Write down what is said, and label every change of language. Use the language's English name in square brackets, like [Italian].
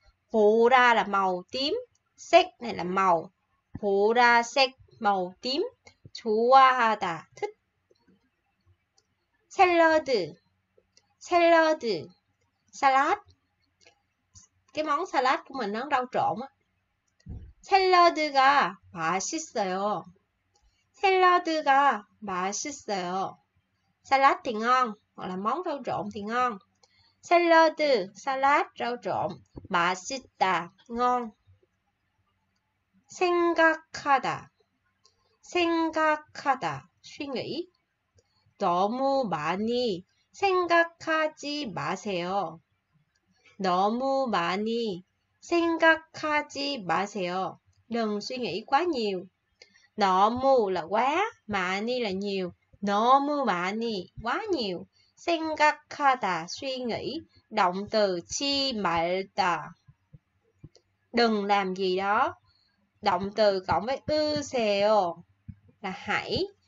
[Vietnamese] 보라 là màu tím, 색 này là màu. 보라색 màu tím. 좋아하다, thích. Salad. Salad. Salad. Cái món salad của mình nó rau trộn á. [Korean] Salad가 맛있어요. Salad가 맛있어요. [Vietnamese] Salad thì ngon, hoặc là món rau trộn thì ngon. Salad, salad, rau trộn, maxita, ngon. [Korean] 생각하다, 생각하다, suy nghĩ. 너무 많이 생각하지 마세요. 너무 많이 생각하지 마세요. [Vietnamese] Đừng suy nghĩ quá nhiều. 너무 là quá, many là nhiều. 너무 많이, quá nhiều. 생각하다, suy nghĩ. Động từ 치 말다. Đừng làm gì đó. Động từ cộng với 으세요 là hãy.